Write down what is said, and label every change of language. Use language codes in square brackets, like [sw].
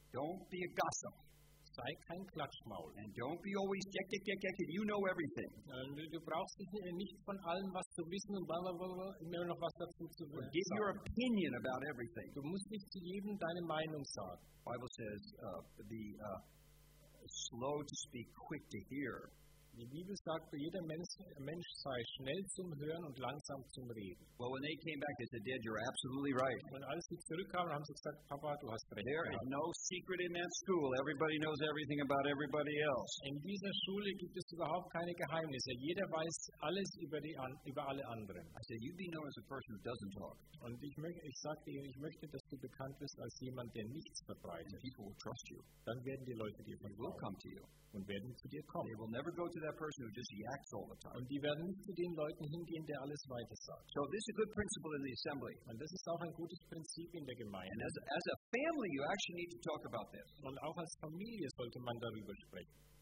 [en] Don't be a gossip. [de] Sei kein Klatschmaul. [en] And don't be always jack, you know everything. [de] Du brauchst nicht von allem was zu wissen und blablabla, immer noch was dazu zu wissen. [en] Give your opinion about everything. [de] Du musst nicht zu jedem deine Meinung sagen. [en] The Bible says, be slow to speak, quick to hear. [de] Die Bibel sagt, für jeder Mensch sei schnell zum Hören und langsam zum Reden. [en] Well, when they came back, they said, Dad, you're absolutely right. [de] Und als sie zurückkamen, haben sie gesagt, Papa, du hast recht. [en] There is no secret in that school. Everybody knows everything about everybody else. [de] In dieser Schule gibt es überhaupt keine Geheimnisse. Jeder weiß alles über alle anderen. [en] I said, you'd be known as a person who doesn't talk. [de] Und ich sagte ihnen, ich möchte, dass du bekannt bist als jemand, der nichts verbreitet. [en] And people will trust you. [de] Dann werden die Leute dir vertrauen. [en] They will come to you. [de] Und werden zu dir kommen. [en] They will never go to that person who just yaks all the time. [de] Und die werden nicht zu den Leuten hingehen, der alles weiter sagt. [en] So this is a good principle in the assembly. [de] Und das ist auch ein gutes Prinzip in der Gemeinde. [en] And as a family, you actually need to talk about this. [de] Und auch als Familie sollte man darüber sprechen.